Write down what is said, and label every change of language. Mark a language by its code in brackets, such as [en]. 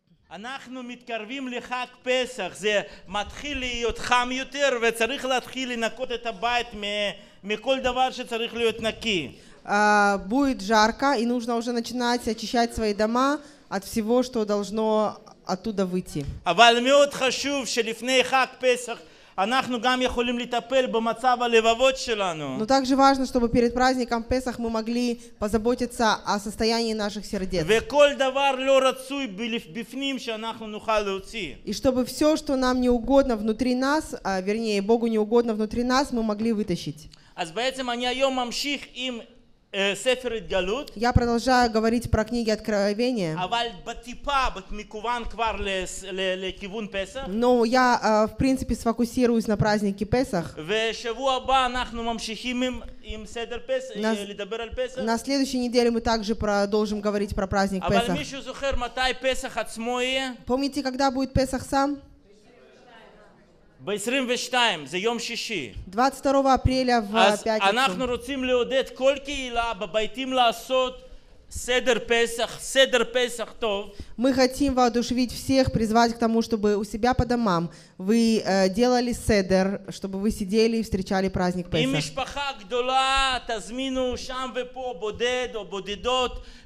[he] אנחנו מתקרבים לחג פסח, זה מתחיל להיות חם יותר וצריך להתחיל לנקות את הבית מכל דבר שצריך להיות נקי. [ru] Будет жарко и нужно уже начинать очищать свои дома от всего, что должно оттуда выйти. [he] אבל מאוד חשוב שלפני חג פסח אנחנו גם יכולים לטפל במצב הלבבות שלנו. [ru] Но также важно, чтобы перед праздником Песах мы могли позаботиться о состоянии наших сердец. [he] וכל דבר לא רצוי בפנים שאנחנו נוכל להוציא. [ru] И чтобы все, что нам не угодно внутри нас, вернее, Богу не угодно внутри нас, мы могли вытащить. [he] אז בעצם אני היום ממשיך עם ספר התגלות. [ru] Я продолжаю говорить про книги Откровения. [he] אבל בטיפה, במקוון כבר לכיוון פסח. [ru] Но я, в принципе, сфокусируюсь на празднике Песах. [he] ושבוע הבא אנחנו ממשיכים עם סדר פסח, לדבר על פסח. [ru] На следующей неделе мы также продолжим говорить про праздник Песах. [he] אבל מישהו זוכר מתי פסח עצמו יהיה? [ru] Помните, когда будет Песах сам? [he] ב-22, זה יום שישי. [ru] 22 апреля в пятницу. [he] אנחנו רוצים לעודד כל קהילה בביתים לעשות סדר פסח, סדר פסח טוב. [ru] Мы хотим воодушевить всех, призвать к тому, чтобы у себя по домам вы делали седер, чтобы вы сидели и встречали праздник Песах. [he] И משפחה גדולה, תזמינו שם ופה בודד או בודדות.